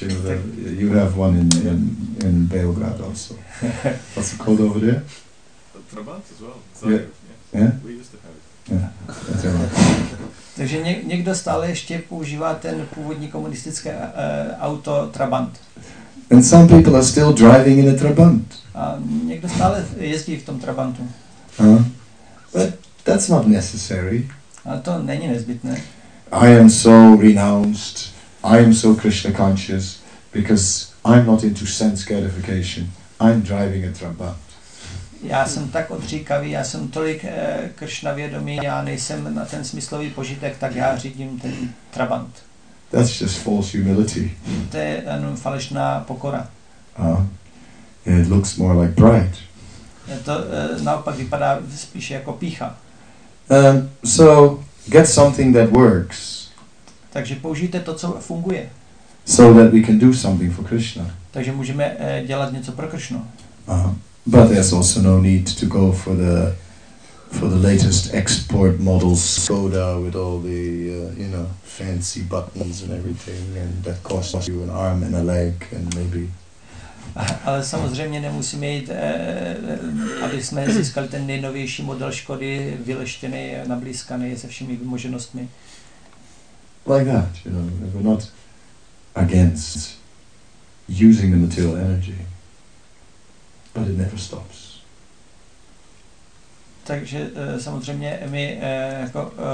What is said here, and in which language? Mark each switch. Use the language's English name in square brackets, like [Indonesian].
[English] You know, you have one in Belgrade also. What's it called over there? Trabant as well. Sorry. Yeah. Yeah. We used to have it. Yeah. [Czech] Takže někdo stále ještě používá ten původní komunistické auto Trabant. [English] And some people are still driving in a Trabant. [Czech] A někdo stále jezdí v tom Trabantu. [English] But that's not necessary. [Czech] A to není nezbytné. [English] I am so renounced. I am so Krishna conscious because I'm not into sense gratification. I'm driving a Trabant. [Czech] Já jsem tak odříkavý, já jsem tolik Krishna vědomý, já nejsem na ten smyslový požitek, tak já řídím ten Trabant. [English] That's just false humility. [Czech] To je jenom falešná pokora. [English] It looks more like pride. [Czech] To naopak vypadá spíše jako pýcha. [English] So get something that works. [Czech] Takže použijte to, co funguje. [English] So that we can do something for Krishna. [Czech] Takže můžeme dělat něco pro Krishnu. [English] But there's also no need to go for the latest export models, Skoda with all the fancy buttons and everything, and that costs you an arm and a leg and maybe. [Czech] Ale samozřejmě nemusíme jít, aby jsme získali ten nejnovější model Škody, vyleštěný, nablízkaný se všemi vymoženostmi. [English] Like that, you know, we're not against using the material energy, but it never stops. [Czech] takže samozřejmě my jako